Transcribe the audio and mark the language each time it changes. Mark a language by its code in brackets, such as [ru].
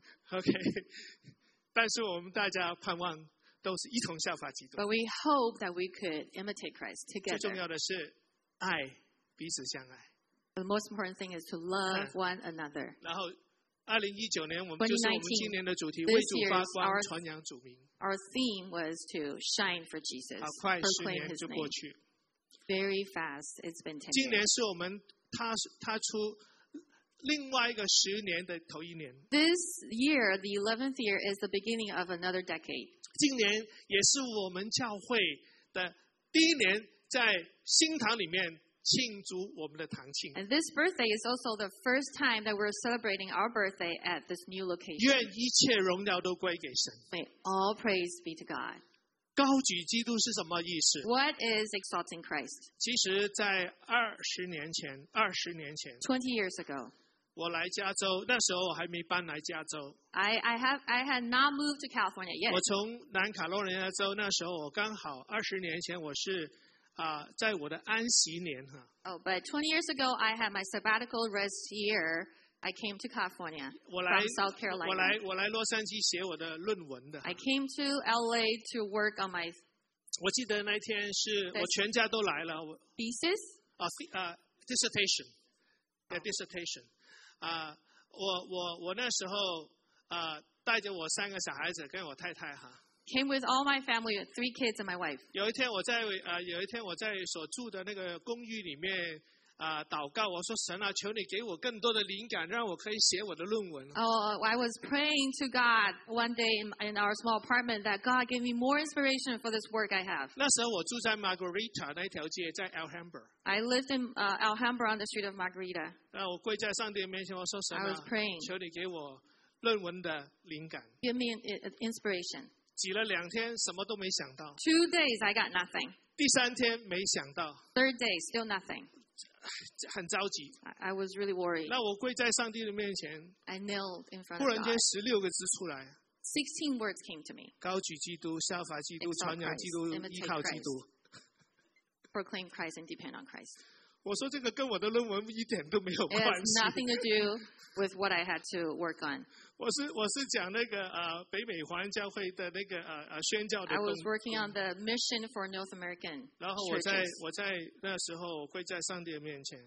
[en] Okay. [zh] 但是我们大家盼望都是一同效法基督。 [en] But we hope that we could imitate Christ together. [zh] 最重要的是爱彼此相爱。 [en] The most important thing is to love one another. [zh] 然后2019年，我们就是我们今年的主题，为主发光，传扬主名。 [en] Our theme was to shine for Jesus. [zh] 好快，十年就过去。 [en] Very fast, it's been 10 years. [zh] 今年是我们踏出另外一个十年的头一年。 [en] This year, the 11th year, is the beginning of another decade. [zh] 今年也是我们教会的第一年在新堂里面。庆祝我们的堂庆。 [en] And this birthday is also the first time that we're celebrating our birthday at this new location. [zh] 愿一切荣耀都归给神。 [en] May all praise be to God. [zh] 高举基督是什么意思 [en] ？What is exalting Christ? [zh] 其实，在二十年前 [en] ，20 years ago， [zh] 我来加州，那时候我还没搬来加州。 [en] I had not moved to California yet. [zh] 我从南卡罗来纳州，那时候我刚好20年前我是。在我的安息年哈。 [en] Oh, but 20 years ago, I had my sabbatical rest year. I came to California from South Carolina. [zh] 我来洛杉矶写我的论文的。 [en] I came to LA to work on my. [zh] 我记得那天是我全家都来了。 [en] Thesis. Dissertation. a dissertation. [zh] 我那时候带着我三个小孩子跟我太太哈。 [en] Came with all my family, three kids and my wife. [zh] 有一天我在所住的那个公寓里面祷告，我说神啊，求你给我更多的灵感，让我可以写我的论文。 [en] Oh, I was praying to God one day in our small apartment that God gave me more inspiration for this work I have. [zh] 那时候我住在 Margarita 那条街，在 Alhambra. [en] I lived in Alhambra on the street of Margarita. [zh] 那我跪在上帝面前，我说神啊， [en] I was praying. [zh] 求你给我论文的灵感。 [en] Give me inspiration. [zh] 挤了两天，什么都没想到。 [en] Two days, I got nothing. [zh] 第三天没想到。 [en] Third day, still nothing. [zh] 很着急。 [en] I was really worried. [zh] 那我跪在上帝的面前。 [en] I knelt in front of God. [zh] 忽然间十六个字出来。 [en] 16 words came to me. [zh] 高举基督，效法基督，传扬基督，依靠基督。 [en] Proclaim Christ and depend on Christ. [zh] 我说这个跟我的论文一点都没有关系。 [en] It has nothing to do with what I had to work on. [zh] 我是讲那个北美华人教会的那个宣教的。 [en] I was working on the mission for North American churches. [zh] 然后我在那时候跪在上帝面前。